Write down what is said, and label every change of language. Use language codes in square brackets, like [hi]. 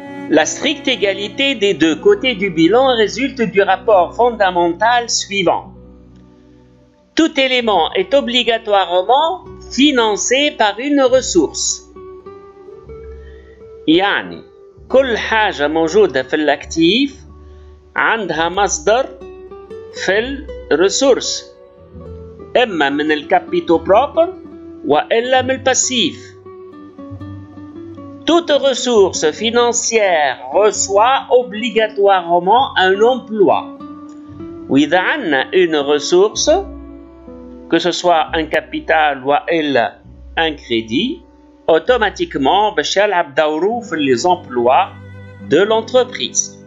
[fr] La stricte égalité des deux côtés du bilan résulte du rapport fondamental suivant. Tout élément est obligatoirement financé par une ressource. [ar] يعني كل حاجة موجودة في الاكتيف عندها مصدر في الرسورس اما من الكابيتو بروبر والا من الباسيف. [fr] Toute ressource financière reçoit obligatoirement un emploi. Oui, une ressource, que ce soit un capital ou un crédit, automatiquement, Bachel Abdaourouf les emplois de l'entreprise.